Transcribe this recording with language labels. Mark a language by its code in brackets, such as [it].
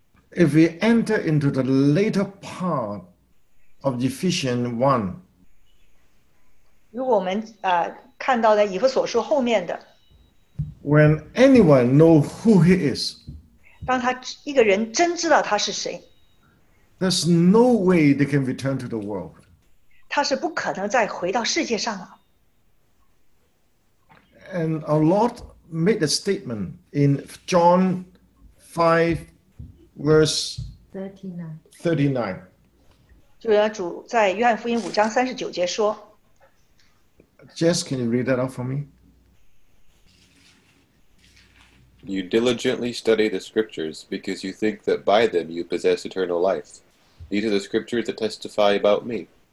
[en] If we enter into the later part of Ephesians 1, [zh] 如果我们看到了以弗所书后面的。 [en] When anyone knows who he is, [zh] 当他一个人真知道他是谁, [en] there's no way they can return to the world. [zh] 他是不可能再回到世界上了。 [en] And our Lord made a statement in John 5, verse 39. [zh] 就是主在约翰福音五章三十九节说, [en] Jess, can you read that out for me? You diligently study the scriptures because you think that by them you possess eternal life. These are the scriptures that testify about me,